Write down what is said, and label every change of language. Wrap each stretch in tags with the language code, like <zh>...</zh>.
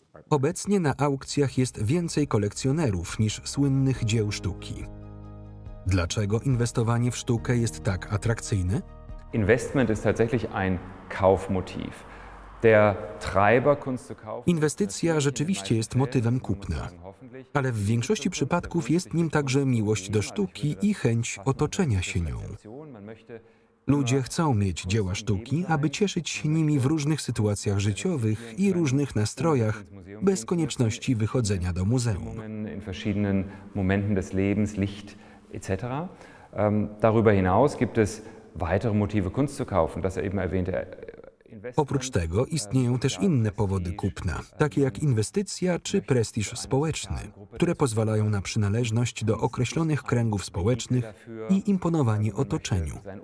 <pl>Obecnie na aukcjach jest więcej kolekcjonerów niż słynnych dzieł sztuki. Dlaczego inwestowanie w sztukę jest tak atrakcyjne?</pl> <de>Investment ist tatsächlich ein Kaufmotiv. Der Treiber Kunst zu kaufen.</de> <pl>Inwestycja rzeczywiście jest motywem kupna, ale w większości przypadków jest nim także miłość do sztuki i chęć otoczenia się nią. Ludzie chcą mieć dzieła sztuki, aby cieszyć się nimi w różnych sytuacjach życiowych i różnych nastrojach, bez konieczności wychodzenia do muzeum.</pl> <de>In verschiedenen Momenten des Lebens, Licht etc. Darüber hinaus gibt es weitere Motive Kunst zu kaufen, das eben erwähnte.</de> <pl>Oprócz tego istnieją też inne powody kupna, takie jak inwestycja czy prestiż społeczny, które pozwalają na przynależność do określonych kręgów społecznych i imponowanie otoczeniu.</pl>